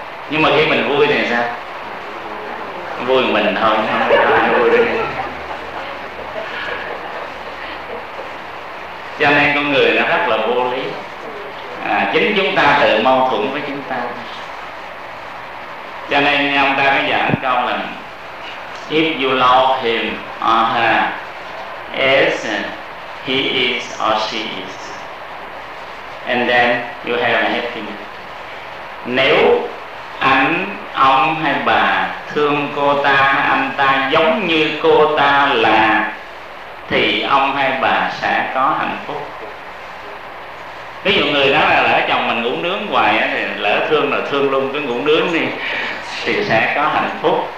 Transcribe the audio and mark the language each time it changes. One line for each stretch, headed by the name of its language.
Vietnamese: Nhưng mà khi mình vui thì sao? Vui mình thôi, không có ai vui được. Cho nên con người nó rất là vô lý. Chính chúng ta tự mâu thuẫn với chúng ta. Cho nên ông ta mới giảng câu là
English: if you love him or her as he is or she is, and then you have happiness.
Vietnamese: Nếu anh, ông hay bà thương cô ta, anh ta giống như cô ta là, thì ông hay bà sẽ có hạnh phúc. Ví dụ người đó là lỡ chồng mình ngủ nướng hoài thì lỡ thương là thương luôn cái ngủ nướng đi thì sẽ có hạnh phúc.